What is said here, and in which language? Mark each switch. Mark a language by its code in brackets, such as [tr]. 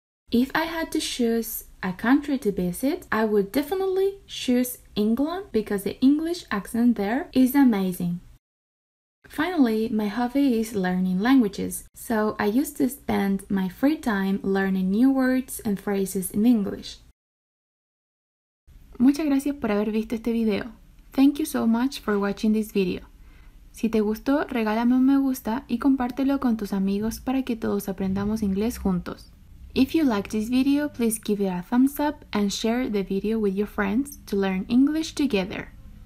[en] If I had to choose a country to visit, I would definitely choose England because the English accent there is amazing. Finally, my hobby is learning languages, so I used to spend my free time learning new words and phrases in English. [es] Muchas gracias por haber visto este video. [en] Thank you so much for watching this video. [es] Si te gustó, regálame un me gusta y compártelo con tus amigos para que todos aprendamos inglés juntos. [en] If you liked this video, please give it a thumbs up and share the video with your friends to learn English together.